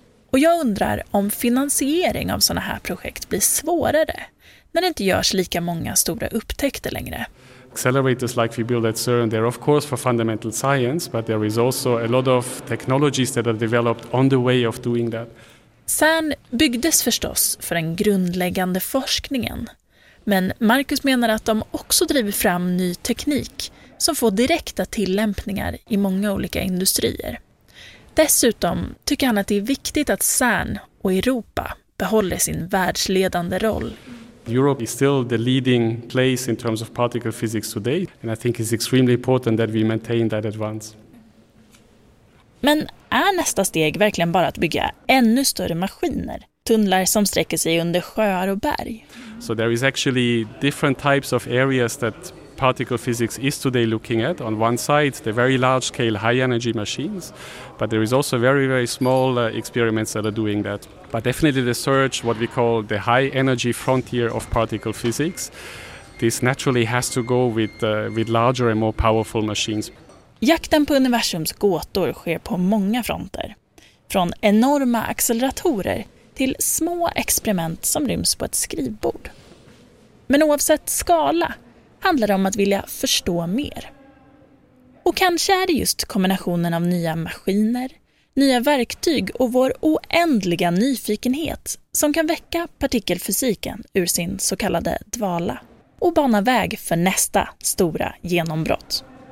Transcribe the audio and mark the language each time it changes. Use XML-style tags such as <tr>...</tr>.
<sv>Och jag undrar om finansiering av såna här projekt blir svårare när det inte görs lika många stora upptäckter längre.</sv> <en>Accelerators like we build at CERN, they're of course for fundamental science, but there is also a lot of technologies that are developed on the way of doing that.</en> <sv>CERN byggdes förstås för den grundläggande forskningen. Men Marcus menar att de också driver fram ny teknik som får direkta tillämpningar i många olika industrier. Dessutom tycker han att det är viktigt att CERN och Europa behåller sin världsledande roll.</sv> <en>Europe is still the leading place in terms of particle physics today, and I think it's extremely important that we maintain that advance.</en> <sv>Men är nästa steg verkligen bara att bygga ännu större maskiner? Tunnlar som sträcker sig under sjöar och berg.</sv> <en>So there is actually different types of areas that particle physics is today looking at. On one side, the very large scale high energy machines, but there is also very very small experiments that are doing that. But definitely the search, what we call the high energy frontier of particle physics, this naturally has to go with larger and more powerful machines.</en> <sv>Jakten på universums gåtor sker på många fronter. Från enorma acceleratorer till små experiment som ryms på ett skrivbord. Men oavsett skala handlar det om att vilja förstå mer. Och kanske är det just kombinationen av nya maskiner, nya verktyg och vår oändliga nyfikenhet som kan väcka partikelfysiken ur sin så kallade dvala och bana väg för nästa stora genombrott.</sv>